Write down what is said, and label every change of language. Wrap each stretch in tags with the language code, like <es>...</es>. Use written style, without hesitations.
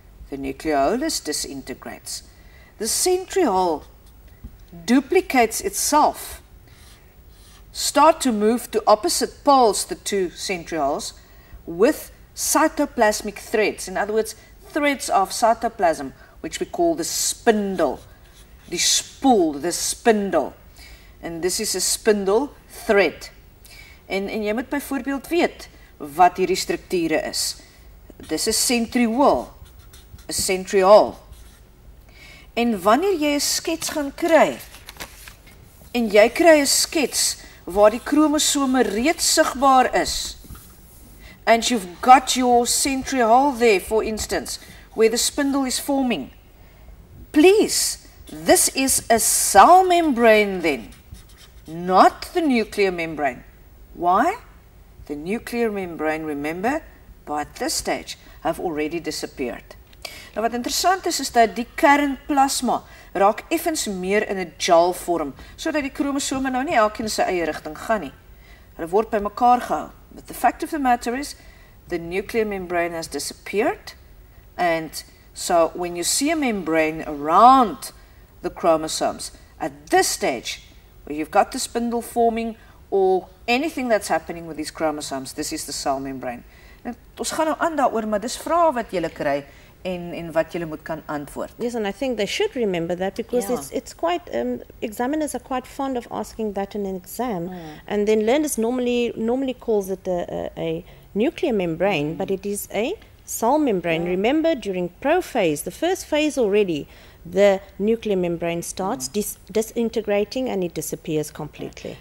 <en>The nucleolus disintegrates. The centriole duplicates itself, start to move to opposite poles, the two centrioles, with cytoplasmic threads. In other words, threads of cytoplasm, which we call the spindle, the spool, the spindle. And this is a spindle thread.</en> <af>En jy moet byvoorbeeld weet wat hierdie strukture is. Dis 'n centriole, 'n centriole. En wanneer jy 'n skets gaan kry, en jy kry 'n skets waar die kromosome reeds sigbaar is,</af> <en>and you've got your centriole there, for instance, where the spindle is forming. Please, this is a cell membrane then, not the nuclear membrane. Why? The nuclear membrane, remember, by this stage, have already disappeared.</en> <af>Nou wat interessant is, is dat die kernplasma raak effens meer in 'n gel vorm, sodat die kromosome nou nie elkeen sy eie rigting gaan nie. Hulle word by mekaar gehou.</af> <en>But the fact of the matter is, the nuclear membrane has disappeared, and so when you see a membrane around the chromosomes, at this stage, where you've got the spindle forming, or anything that's happening with these chromosomes, this is the cell membrane.</en> <af>En ons gaan nou aan daaroor, maar dis vrae wat jy kry en wat jy moet kan antwoord.</af> <en>Yes, and I think they should remember that because it's quite, examiners are quite fond of asking that in an exam. Oh, yeah. And then learners normally calls it a nuclear membrane, mm-hmm. but it is a cell membrane. Yeah. Remember, during prophase, the first phase already, the nuclear membrane starts disintegrating and it disappears completely.</en>